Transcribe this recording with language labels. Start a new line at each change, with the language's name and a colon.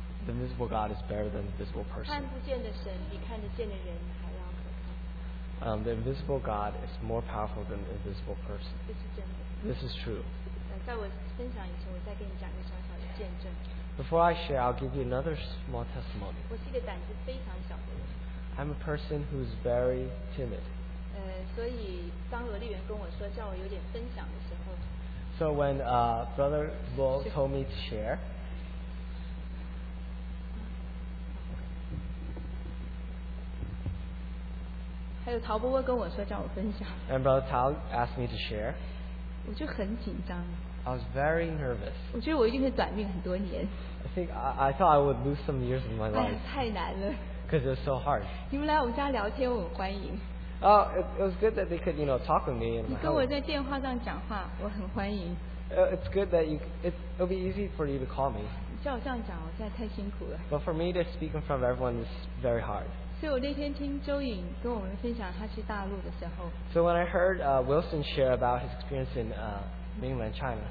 English: The invisible God is better than visible person.
Chinese: 看不见的神比看得见的人还要可靠。
English: The invisible God is more powerful than the invisible person.
Chinese: 这是真的。
English: This is true.
Chinese: 在我分享以前，我再跟你讲一个小小的见证。
English: Before I share, I'll give you another small testimony.
Chinese: 我是一个胆子非常小的人。
English: I'm a person who's very timid.
Chinese: 所以当罗丽媛跟我说叫我有点分享的时候
English: ，So when Brother Luo told me to share,
Chinese: 还有陶波波跟我说叫我分享
English: ，And Brother Tao asked me to share,
Chinese: 我就很紧张。
English: I was very nervous. I thought I would lose some years of my life.
Chinese: 太难了。
English: Because it was so hard.
Chinese: 你们来我们家聊天，我很欢迎。
English: Oh, it was good that they could, you know, talk with me.
Chinese: 你跟我在电话上讲话，我很欢迎。
English: It's good that you. It'll be easy for you to call me.
Chinese: 叫我这样讲，我现在太辛苦了。
English: But for me to speak in front of everyone is very hard.
Chinese: 所以我那天听周颖跟我们分享他去大陆的时候。
English: So when I heard Wilson share about his experience in Mainland China.